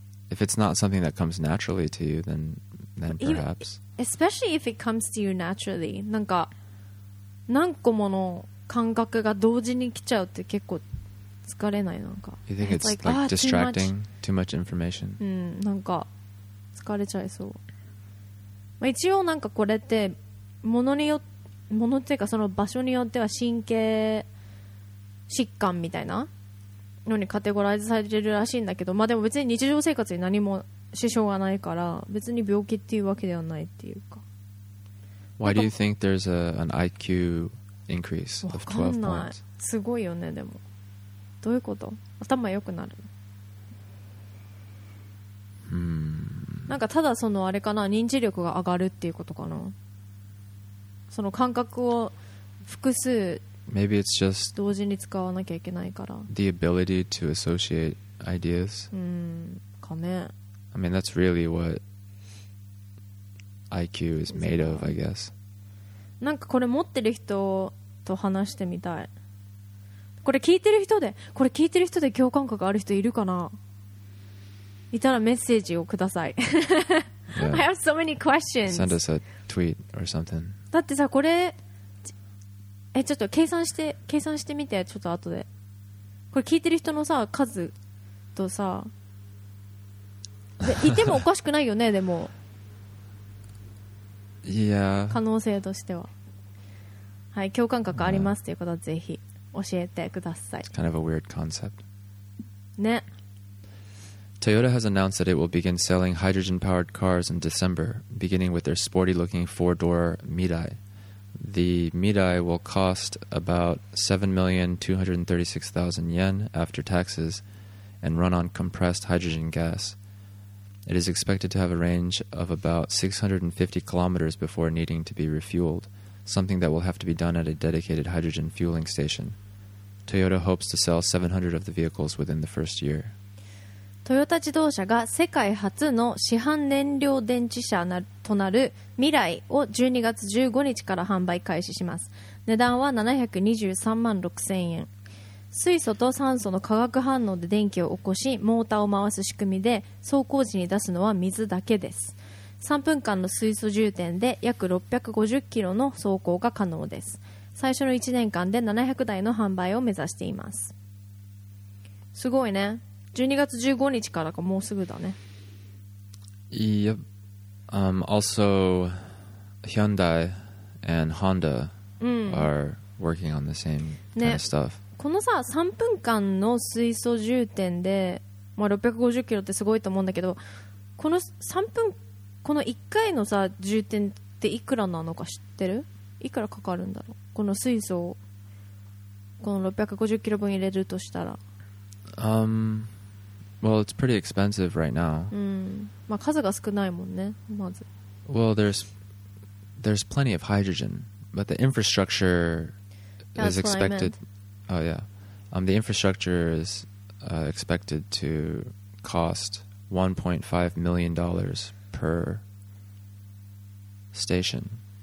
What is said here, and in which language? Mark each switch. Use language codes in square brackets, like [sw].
[en] If it's not something that comes naturally to you, then perhaps Especially if it comes to you naturally, [ja] なんか何個もの感覚が同時に来ちゃうって結構疲れない、なんか [en] You think it's like distracting, too much information? [ja] うん、なんか疲れちゃいそう。まあ、一応なんかこれってものによって、ものっていうかその場所によっては神経疾患みたいなのにカテゴライズされてるらしいんだけど、まあでも別に日常生活に何も支障がないから別に病気っていうわけではないっていうか。 [en] Why do you think there's an IQ increase of 12 points? [ja] わかんない。すごいよね。でもどういうこと？頭良くなる。なんかただそのあれかな、認知力が上がるっていうことかな。その感覚を複数 [en] Maybe it's just [ja] 同時に使わなきゃいけないから。 [en] The ability to associate ideas. [ja] かね。 [en] I mean, that's really what IQ is made of, I guess. [ja] なんかこれ持ってる人と話してみたい。これ聞いてる人で、これ聞いてる人で共感覚ある人いるかな？いたらメッセージをください。 [en] Yeah. I have so many questions. Send us a tweet or something. [ja] だってさ、これ。ちょっと計算してみて、ちょっと後でこれ聞いてる人のさ数とさ、いてもおかしくないよね。でも、 [en] yeah. [ja] 可能性としては、はい、共感覚ありますっていう方はぜひ教えてください。 [en] It's kind of a weird concept. [ja] ね。 [en] Toyota has announced that it will begin selling hydrogen-powered cars in December, beginning with their sporty-looking four-door Mirai. The Mirai will cost about 7,236,000 yen after taxes and run on compressed hydrogen gas. It is expected to have a range of about 650 kilometers before needing to be refueled, something that will have to be done at a dedicated hydrogen fueling station. Toyota hopes to sell 700 of the vehicles within the first year. [ja] トヨタ自動車が世界初の市販燃料電池車となるMirai を12月15日から販売開始します。値段は723万6000円。水素と酸素の化学反応で電気を起こしモーターを回す仕組みで、走行時に出すのは水だけです。 3分間の水素充填で約650キロの走行が可能です。最初の1年間で700台の販売を目指しています。すごいね。 12月15日からか、もうすぐだね。 [en] Yep. Also, Hyundai and Honda are working on the same kind of stuff.、 [ja] ね、このさ、3分間の水素充填で、まあ、650キロってすごいと思うんだけど、この3分、この1回のさ充填っていくらなのか知ってる？いくらかかるんだろう、この水素をこの650キロ分入れるとしたら。 [en] Well, it's pretty expensive right now. [ja] まあ数が少ないもんね、まず。 [en] Well, there's plenty of hydrogen, but the infrastructure is expected. Oh yeah, the infrastructure is expected to cost $1.5 million per station.